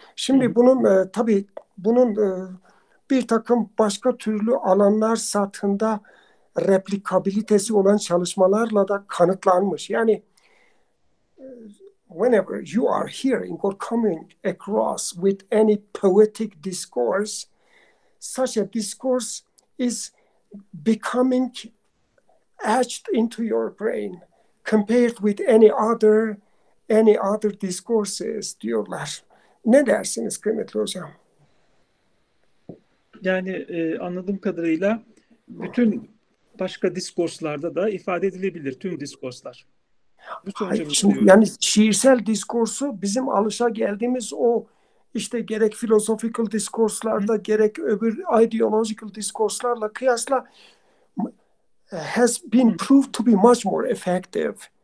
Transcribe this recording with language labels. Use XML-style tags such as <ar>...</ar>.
<tr>Şimdi bunun tabii bunun bir takım başka türlü alanlar sathında replikabilitesi olan çalışmalarla da kanıtlanmış.</tr> <en>Yani whenever you are hearing or coming across with any poetic discourse, such a discourse is becoming etched into your brain compared with any other discourses</en> <tr>diyorlar. Ne dersiniz kıymetli hocam? Yani anladığım kadarıyla bütün başka diskurslarda da ifade edilebilir tüm diskurslar. Hayır, şimdi, yani şiirsel diskursu bizim alışa geldiğimiz o işte gerek philosophical diskurslarda gerek öbür ideological diskurslarla kıyasla</tr> <en>has been proved to be much more effective.</en>